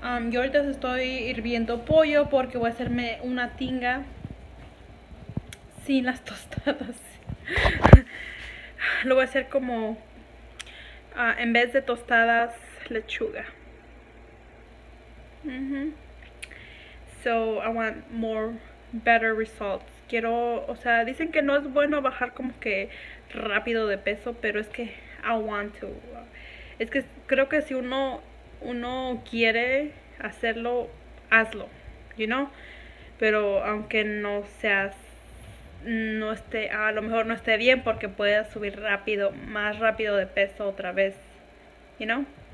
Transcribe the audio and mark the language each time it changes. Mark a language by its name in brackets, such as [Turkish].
[Spanish] Yo ahorita estoy hirviendo pollo porque voy a hacerme una tinga sin las tostadas. Lo voy a hacer como en vez de tostadas, lechuga. [English] So I want more better results. [Spanish] Quiero, o sea, dicen que no es bueno bajar como que rápido de peso, pero es que [English] I want to. [Spanish] Es que creo que si uno quiere hacerlo, hazlo, [English] you know? [Spanish] Pero aunque no seas, no esté, a lo mejor no esté bien porque pueda subir rápido, más rápido de peso otra vez, [English] you know?